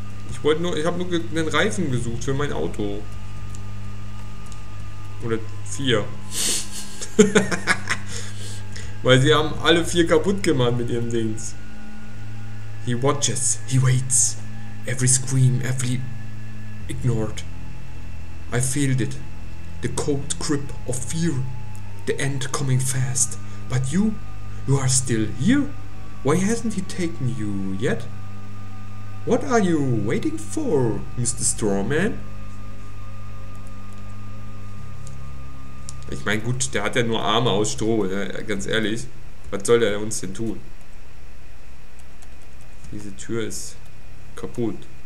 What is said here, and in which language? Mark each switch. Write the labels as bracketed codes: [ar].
[de] Ich habe nur einen Reifen gesucht für mein Auto. Oder vier. Weil sie haben alle vier kaputt gemacht mit ihren Dings. [en] He watches, he waits. Every scream, every ignored. I feel it. The cold grip of fear. The end coming fast. But you, you are still here? Why hasn't he taken you yet? What are you waiting for, Mr. Strawman? [de] Ich meine, gut, der hat ja nur Arme aus Stroh, ne? Ganz ehrlich. Was soll der uns denn tun? Diese Tür ist kaputt.